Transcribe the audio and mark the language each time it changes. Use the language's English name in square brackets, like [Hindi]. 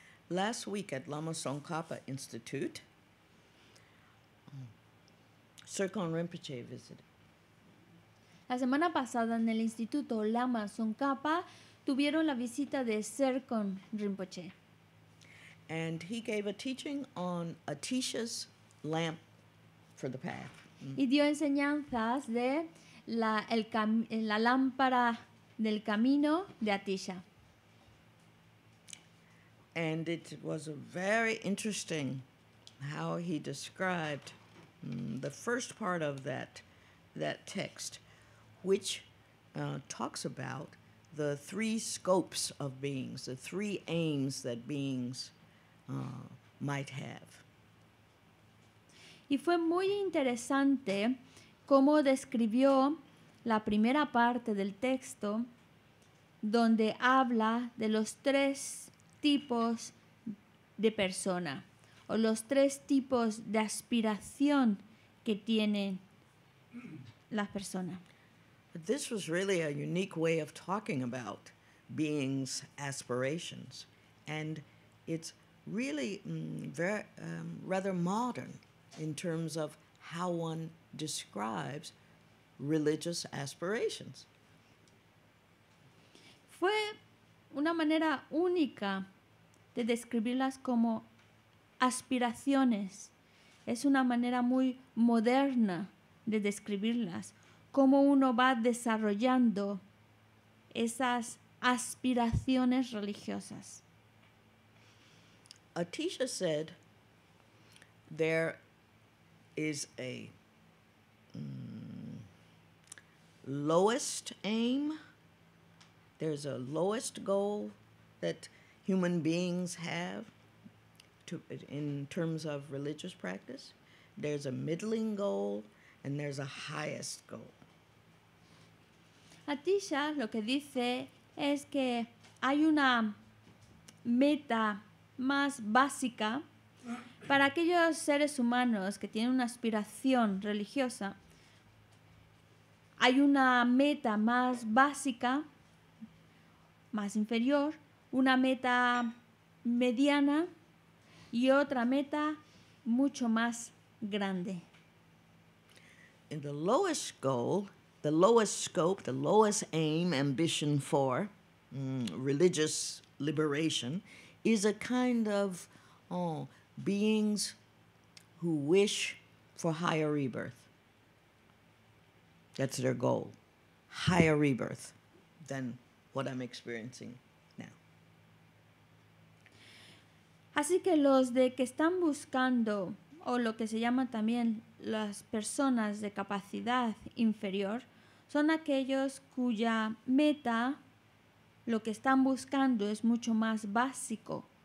[English] Last week at Lama Tsongkhapa Institute, Sirkon Rinpoche visited. [Spanish] La semana pasada en el Instituto Lama Tsongkhapa tuvieron la visita de Sirkon Rinpoche. [English] And he gave a teaching on Atisha's lamp for the path. [Spanish] Y dio enseñanzas de la lámpara del camino de Atisha. [English] And it was very interesting how he described the first part of that text, which talks about the three scopes of beings, the three aims that beings might have. [Spanish] Y fue muy interesante cómo describió la primera parte del texto, donde habla de los tres tipos de persona o los tres tipos de aspiración que tienen las personas. [English] This was really a unique way of talking about beings' aspirations, and it's really rather modern in terms of how one describes religious aspirations. [Spanish] Fue una manera única de describirlas como aspiraciones. Es una manera muy moderna de describirlas, cómo uno va desarrollando esas aspiraciones religiosas. [English] Atisha said there is a lowest aim, there's a lowest goal that human beings have in terms of religious practice. There's a middling goal and there's a highest goal. [Spanish] Atisha lo que dice es que hay una meta más básica para aquellos seres humanos que tienen una aspiración religiosa. Hay una meta más básica, más inferior, una meta mediana y otra meta mucho más grande. [English] In the lowest goal, the lowest scope, the lowest aim, ambition for religious liberation is a kind of beings who wish for higher rebirth. That's their goal, higher rebirth than what I'm experiencing. [Spanish] Así que los de que están buscando, o lo que se llama también las personas de capacidad inferior, son aquellos cuya meta, lo que están buscando, es mucho más básico,